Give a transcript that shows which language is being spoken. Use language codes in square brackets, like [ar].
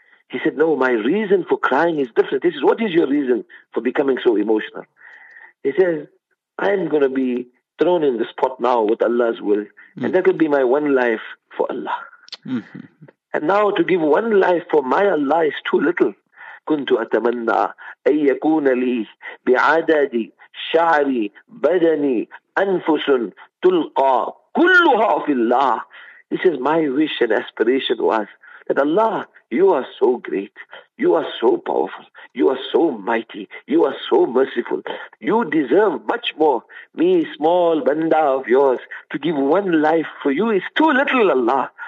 [en] He said, no, my reason for crying is different. He says, what is your reason for becoming so emotional? He says, I am going to be thrown in this pot now with Allah's will. And that could be my one life for Allah. And now to give one life for my Allah is too little. [ar] كنت أتمنى أن يكون لي بعدد شعري بدني أنفس تلقى كلها في الله. [en] This is my wish and aspiration was that Allah, you are so great, you are so powerful, you are so mighty, you are so merciful. You deserve much more. Me, small banda of yours, to give one life for you is too little, Allah.